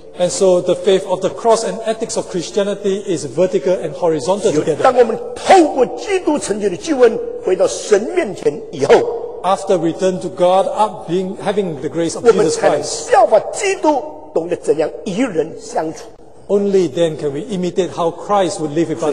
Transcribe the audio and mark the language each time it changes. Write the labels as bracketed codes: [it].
[en] And so the faith of the cross and ethics of Christianity is vertical and horizontal together. [zh] 当我们透过基督成就的救恩，回到神面前以后。 [en] After return to God, up being having the grace of Jesus Christ. [zh] 我们才能效法基督，懂得怎样与人相处。 [en] Only then can we imitate how Christ would live with others.